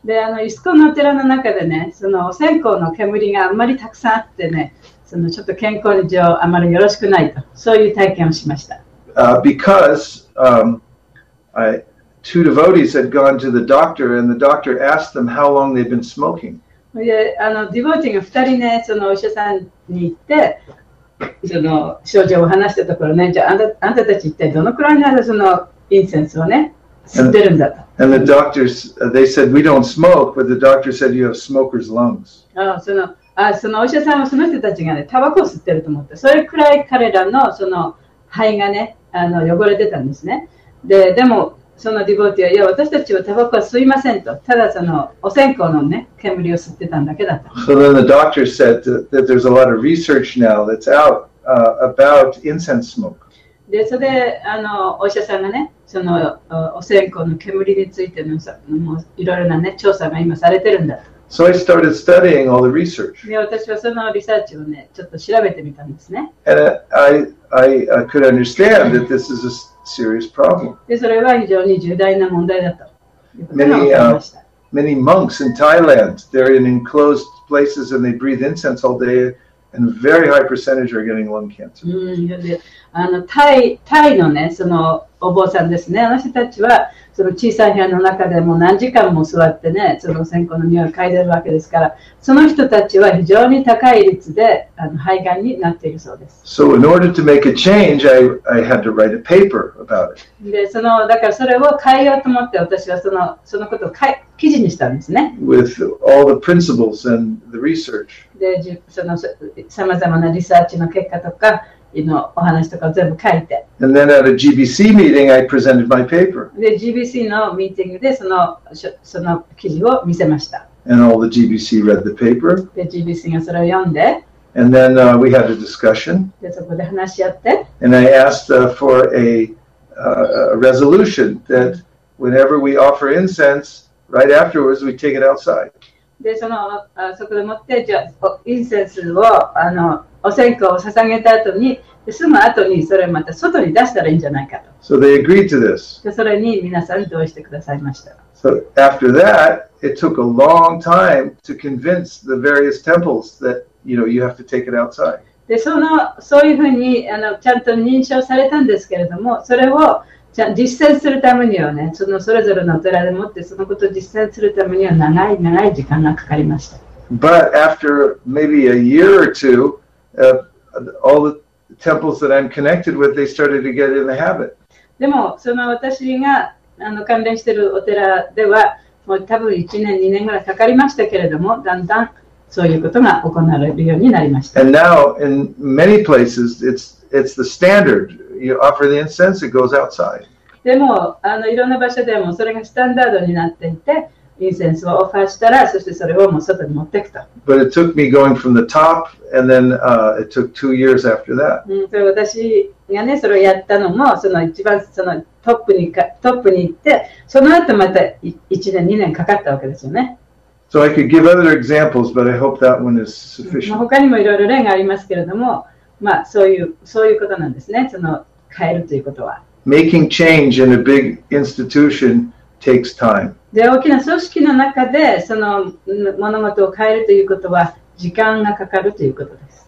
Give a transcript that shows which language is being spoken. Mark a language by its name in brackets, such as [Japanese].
[Japanese] で、あの、イスコンの寺の中でね、そのお線香の煙があんまりたくさんあってね、そのちょっと健康上あまりよろしくないと、そういう体験をしました。 [English] Because two devotees had gone to the doctor and the doctor asked them how long they'd been smoking. [Japanese] で、あの、ディボーティーが二人ね、そのお医者さんに行って、その症状を話したところね、じゃあ、あんたたち一体どのくらいならそのインセンスをね、吸ってるんだと。 [English] And the doctors, they said, we don't smoke, but the doctor said, you have smoker's lungs. [Japanese] そのお医者さんはその人たちがね、タバコを吸ってると思って、それくらい彼らのその肺がね、あの、汚れてたんですね。で、でも、そのディボーティーは、いや、私たちはタバコは吸いませんと、ただそのお線香のね、煙を吸ってたんだけだと。 [English] So then the doctor said that there's a lot of research now that's out about incense smoke. [Japanese] で、それで、あの、お医者さんがね、その、お線香の煙についてのさ、もういろいろなね、調査が今されてるんだ。 [English] So I started studying all the research. [Japanese] で、私はそのリサーチをね、ちょっと調べてみたんですね。 [English] And I could understand that this is a serious problem. [Japanese] で、それは非常に重大な問題だと。 [English] Many monks in Thailand, they're in enclosed places and they breathe incense all day. And a very high percentage are getting lung cancer. [Japanese] タイのね、そのお坊さんですね。あの人たちはその小さい部屋の中でも何時間も座ってね、その線香の匂いを嗅いでるわけですから、その人たちは非常に高い率で、あの、肺がんになっているそうです。 [English] So in order to make a change, I had to write a paper about it. [Japanese] で、そのだからそれを変えようと思って、私はそのことを記事にしたんですね。 [English] With all the principles and the research. [Japanese] で、そのさまざまなリサーチの結果とか。のお話とかを全部書いて。 [English] And then at a GBC meeting, I presented my paper. [Japanese] で、GBC のミーティングでその記事を見せました。 [English] And all the GBC read the paper. [Japanese] で、GBC がそれを読んで。 [English] And then we had a discussion. [Japanese] で、そこで話し合って。 [English] And I asked for a resolution that whenever we offer incense, right afterwards we take it outside. [Japanese] で、その、そこでもって、じゃあ、インセンスを、お線香を捧げた後に、すぐ後にそれをまた外に出したらいいんじゃないかと。 [English] So they agreed to this. [Japanese] で、それに皆さん同意してくださいました。 [English] So after that, it took a long time to convince the various temples that, you know, you have to take it outside. [Japanese] で、そういうふうに、ちゃんと認証されたんですけれども、それを、実践するためにはね、そのそれぞれのお寺でもって、そのことを実践するためには長い長い時間がかかりました。 [English] But after maybe a year or two, all the temples that I'm connected with, they started to get in the habit. [Japanese] でも、その私が関連しているお寺では、もう多分1年、2年ぐらいかかりましたけれども、だんだんそういうことが行われるようになりました。 [English] And now, in many places, it's the standard. You offer the incense, it goes outside. [Japanese] でも、いろんな場所でもそれがスタンダードになっていて、インセンスをオファーしたら、そしてそれをもう外に持っていくと。 [English] But it took me going from the top, and then it took 2 years after that. [Japanese] それ私がね、それをやったのも、その一番そのトップに行って、その後また1年、2年かかったわけですよね。 [English] So I could give other examples, but I hope that one is sufficient. [Japanese] 他にもいろいろ例がありますけれども、まあ、そういうことなんですね。その変えるということは。 [English] Making change in a big institution takes time. [Japanese] で、大きな組織の中でその物事を変えるということは時間がかかるということです。